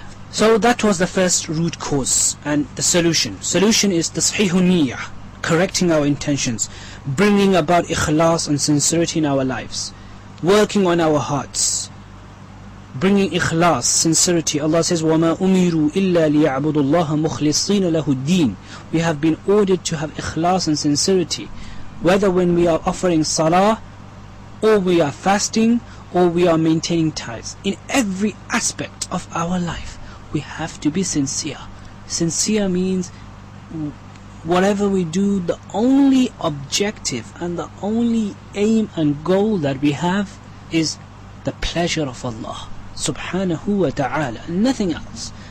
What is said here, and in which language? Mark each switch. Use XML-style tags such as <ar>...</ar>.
<en>So that was the first root cause and the solution. Solution is tasheehu niyyah, correcting our intentions, bringing about ikhlas and sincerity in our lives, working on our hearts, bringing ikhlas, sincerity. Allah says,</en> <ar>وَمَا أُمِرُوا إِلَّا لِيَعْبُدُ اللَّهَ مُخْلِصِينَ لَهُ الدِّينَ.</ar> <en>We have been ordered to have ikhlas and sincerity, whether when we are offering salah, or we are fasting, or we are maintaining tithes. In every aspect of our life, we have to be sincere. Sincere means whatever we do, the only objective and the only aim and goal that we have is the pleasure of Allah subhanahu wa ta'ala, nothing else.</en>